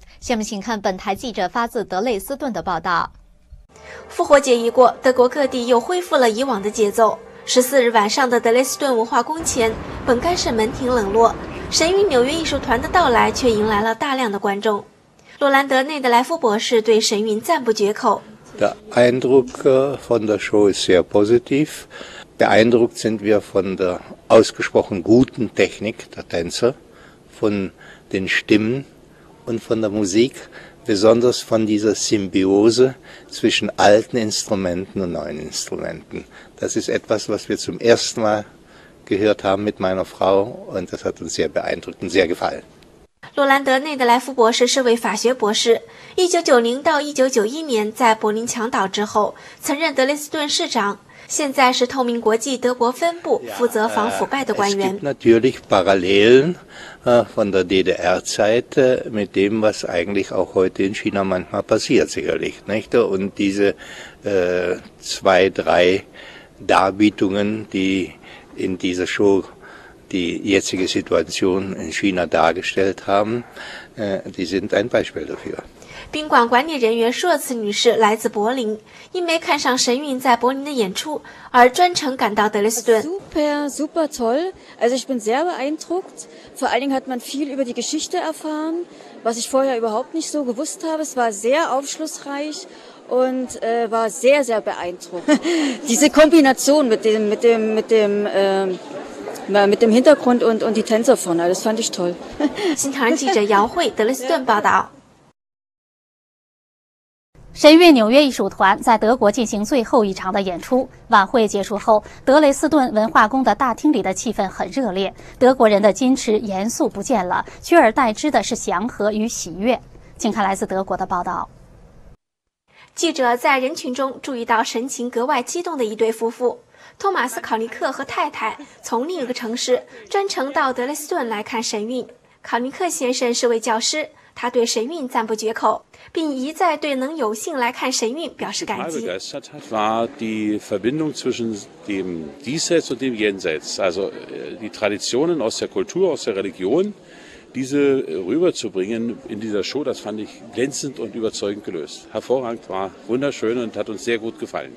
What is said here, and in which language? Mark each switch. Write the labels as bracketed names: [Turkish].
[Chinese] 下面请看本台记者发自德累斯顿的报道。复活节一过，德国各地又恢复了以往的节奏。 14日晚上的德累斯顿文化宫前，本该是门庭冷落，神韵纽约艺术团的到来却迎来了大量的观众。洛兰德内德莱夫博士对神韵赞不绝口。 [German] Der Eindruck von der Show ist sehr positiv. Beeindruckt sind wir von der ausgesprochen guten Technik der Tänzer, von den Stimmen und von der Musik, besonders von dieser Symbiose zwischen alten Instrumenten und neuen Instrumenten. Das ist etwas, was wir zum ersten Mal gehört haben mit meiner Frau und das hat uns sehr beeindruckt und sehr gefallen. [Chinese] 洛兰德·内德莱夫博士是位法学博士，1990到1991年在柏林墙倒之后曾任德累斯顿市长，现在是透明国际德国分部负责防腐败的官员。 [German] Es gibt natürlich Parallelen von der DDR-Zeit mit dem, was eigentlich auch heute in China manchmal passiert, sicherlich, nicht? Und diese zwei, drei Darbietungen, die in dieser Show die jetzige Situation in China dargestellt haben, die sind ein Beispiel dafür. [Chinese] 宾馆管理人员舒尔茨女士来自柏林，因为看上神韵在柏林的演出而专程赶到德累斯顿。 [German] Super, super toll. Also ich bin sehr beeindruckt. Vor allen Dingen hat man viel über die Geschichte erfahren, was ich vorher überhaupt nicht so gewusst habe. Es war sehr aufschlussreich. Und war sehr, sehr beeindruckt. Diese Kombination mit dem Hintergrund und die Tänzer vorne, das fand ich toll. [Chinese] 新唐人记者姚慧，德累斯顿报道。神韵纽约艺术团在德国进行最后一场的演出。晚会结束后，德累斯顿文化宫的大厅里的气氛很热烈，德国人的矜持严肃不见了，取而代之的是祥和与喜悦。请看来自德国的报道。记者在人群中注意到神情格外激动的一对夫妇，托马斯·考尼克和太太从另一个城市专程到德累斯顿来看神韵。考尼克先生是位教师，他对神韵赞不绝口，并一再对能有幸来看神韵表示感激。 [German] Begeistert hat, war die Verbindung zwischen dem Diesseits und dem Jenseits, also die Traditionen aus der Kultur, aus der Religion, diese rüberzubringen in dieser Show, das fand ich glänzend und überzeugend gelöst. Hervorragend, war wunderschön und hat uns sehr gut gefallen.